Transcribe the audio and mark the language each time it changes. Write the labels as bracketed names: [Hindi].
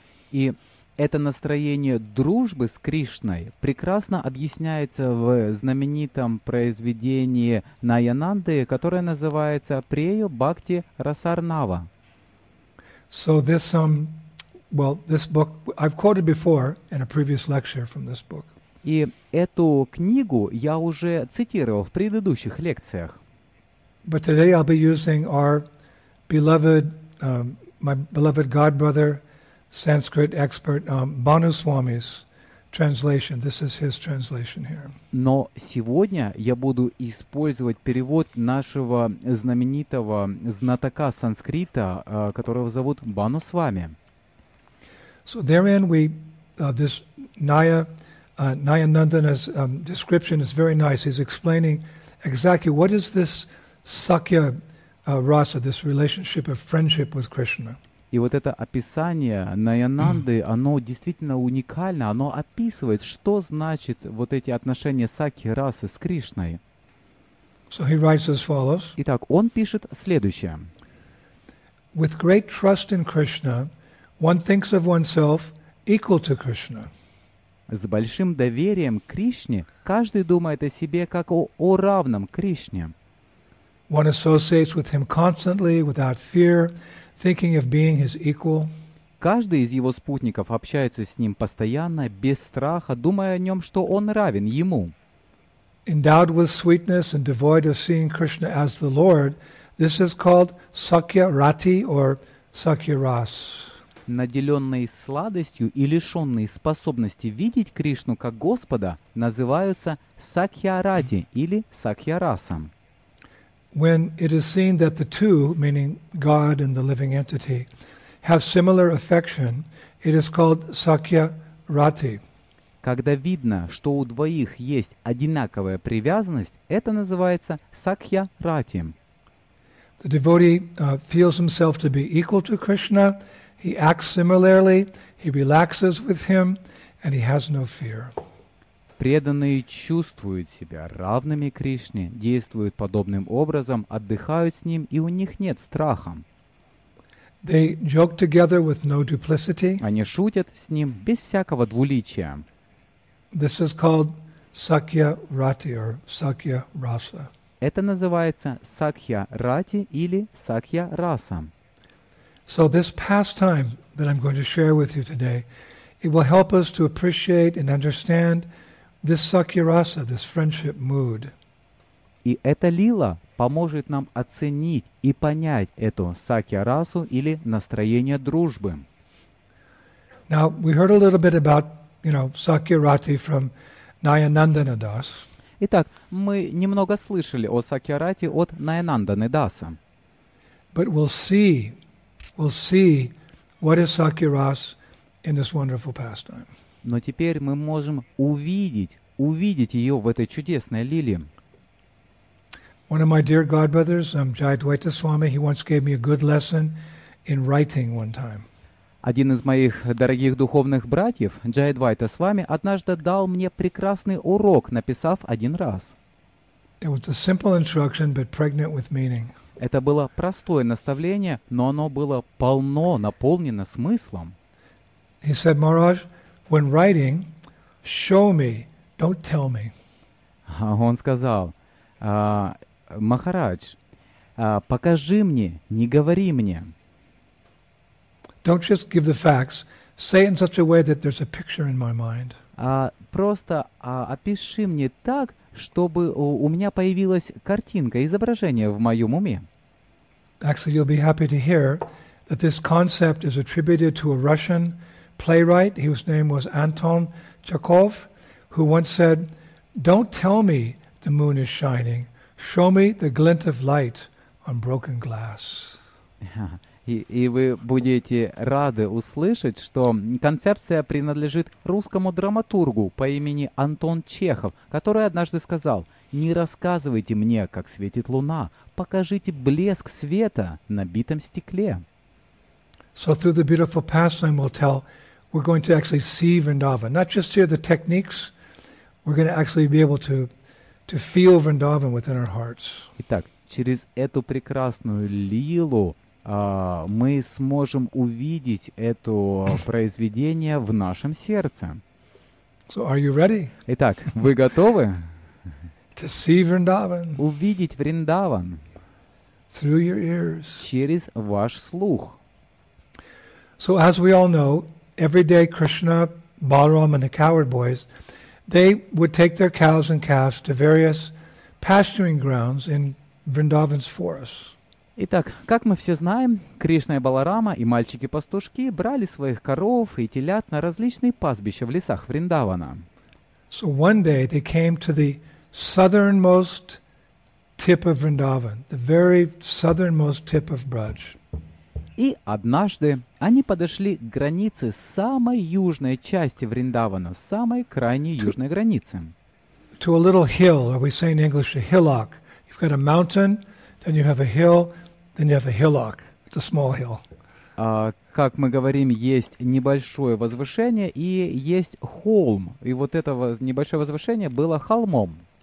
[Russian] И это настроение дружбы с Кришной прекрасно объясняется в знаменитом произведении Naya Nandy, которое называется Prayo Bhakti Rasarnava. [English] So this Well, this book I've quoted before in a previous lecture from this book. [Russian] И эту книгу я уже цитировал в предыдущих лекциях. [English] But today I'll be using our beloved, my beloved godbrother, Sanskrit expert, Bhanu Swami's translation. This is his translation here. [Russian] Но сегодня я буду использовать перевод нашего знаменитого знатока санскрита, которого зовут Бану Свами. [English] So therein we this Naya Nayanandana's description is very nice. He's explaining exactly what is this Sakya Rasa, this relationship of friendship with Krishna. [Russian] И вот это описание Наянанды, оно действительно уникально, оно описывает, что значит вот эти отношения сакхи-расы с Кришной. [English] So he writes as follows. [Russian] Итак, он пишет следующее. [English] With great trust in Krishna, one thinks of oneself equal to Krishna. [Russian] С большим доверием к Кришне каждый думает о себе как о равном Кришне. [English] One associates with him constantly, without fear, thinking of being his equal. [Russian] Каждый из его спутников общается с ним постоянно, без страха, думая о нем, что он равен ему. [English] Endowed with sweetness and devoid of seeing Krishna as the Lord, this is called Sakya Rati or Sakya Ras. [Russian] Наделенные сладостью и лишенные способности видеть Кришну как Господа называются Сакья Рати или Сакья Расом. [English] When it is seen that the two, meaning God and the living entity, have similar affection, it is called Sakya Rati. [Russian] Когда видно, что у двоих есть одинаковая привязанность, это называется Сакья Рати. [English] The devotee feels himself to be equal to Krishna, he acts similarly, he relaxes with him, and he has no fear. [Russian] Преданные чувствуют себя равными Кришне, действуют подобным образом, отдыхают с ним, и у них нет страха. [English] They joke together with no duplicity. [Russian] Они шутят с ним без всякого двуличия. [English] This is called Sakya Rati or Sakya Rasa. [Russian] Это называется Сакья Рати или Сакья Раса. [English] So this pastime that I'm going to share with you today, it will help us to appreciate and understand this Sakya Rasa, this friendship mood. [Russian] И эта лила поможет нам оценить и понять эту Сакья Расу или настроение дружбы. [English] Now we heard a little bit about, you know, Sakya Rati from Nayanandana Das. [Russian] Итак, мы немного слышали о Сакья Рати от Наянанданы Даса. [English] But we'll see what is Sakya Rasa in this wonderful pastime. [Russian] Но теперь мы можем увидеть ее в этой чудесной лиле. [English] One of my dear godbrothers, Jayadvaita Swami, he once gave me a good lesson in writing one time. [Russian] Один из моих дорогих духовных братьев, Джайадвайта Свами, однажды дал мне прекрасный урок, написав один раз. [English] It was a simple instruction, but pregnant with meaning. [Russian] Это было простое наставление, но оно было полно, наполнено смыслом. [English] He said, Maharaj, when writing, show me, don't tell me. [Russian] Он сказал, Махарадж, покажи мне, не говори мне. [English] Don't just give the facts. Say in such a way that there's a picture in my mind. [Russian] Опиши мне так, чтобы у меня появилась картинка, изображение в моем уме. [English] Actually, you'll be happy to hear that this concept is attributed to a Russian playwright whose name was Anton Chekhov, who once said, "Don't tell me the moon is shining. Show me the glint of light on broken glass." [Russian] И вы будете рады услышать, что концепция принадлежит русскому драматургу по имени Антон Чехов, который однажды сказал: «Не рассказывайте мне, как светит луна, покажите блеск света на битом стекле». [English] So through the beautiful pastime we'll tell, we're going to actually see Vrindavan. Not just hear the techniques, we're going to actually be able to feel Vrindavan within our hearts. [Russian] Итак, через эту прекрасную лилу мы сможем увидеть это произведение в нашем сердце. [English] So are you ready? [Russian] Итак, вы готовы? [English] To see Vrindavan. [Russian] Увидеть Вриндаван. [English] Through your ears. [Russian] Через ваш слух. [English] So as we all know, every day Krishna, Balaram and the coward boys, they would take their cows and calves to various pasturing grounds in Vrindavan's forest. [Russian] Итак, как мы все знаем, Кришна и Баларама и мальчики-пастушки брали своих коров и телят на различные пастбища в лесах Вриндавана. [English] So one day they came to the southernmost tip of Vrindavan, the very southernmost tip of Braj. [Russian] И однажды они подошли к границе самой южной части Вриндавана, самой крайней южной границы. [English] To a little hill, or we say in English a hillock. You've got a mountain, then you have a hill, then you have a hillock. It's a small hill. [Russian] Как мы говорим, есть небольшое возвышение и есть холм. И вот это небольшое возвышение было холмом.